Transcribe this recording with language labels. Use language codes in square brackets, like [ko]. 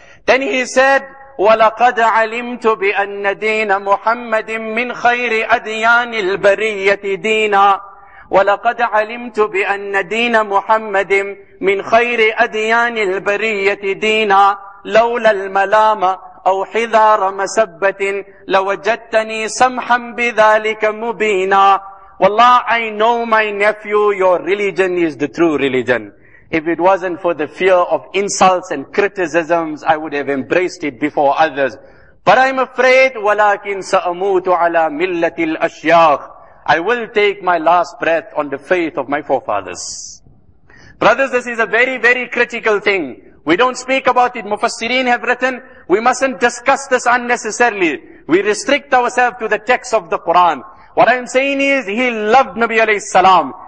[en] Then he said, [ar] وَلَقَدْ عَلِمْتُ بِأَنَّ دِينَ مُحَمَّدٍ مِّنْ خَيْرِ أَدْيَانِ الْبَرِيَّةِ دِينًا وَلَقَدْ عَلِمْتُ بِأَنَّ دِينَ مُحَمَّدٍ مِّنْ خَيْرِ أَدْيَانِ الْبَرِيَّةِ دِينًا لَوْلَا الْمَلَامَ أَوْ حِذَارَ مَسَبَّةٍ لَوَجَدْتَنِي سَمْحًا بِذَلِكَ مُبِينًا. [en] Wallah, I know my nephew, your religion is the true religion. If it wasn't for the fear of insults and criticisms, I would have embraced it before others. But I'm afraid, [ar] وَلَكِنْ سَأَمُوتُ عَلَىٰ مِلَّةِ الْأَشْيَاخِ. [en] I will take my last breath on the faith of my forefathers. Brothers, this is a very, very critical thing. We don't speak about it. Mufassireen have written, we mustn't discuss this unnecessarily. We restrict ourselves to the text of the Quran. What I'm saying is, he loved Nabi alayhi salam.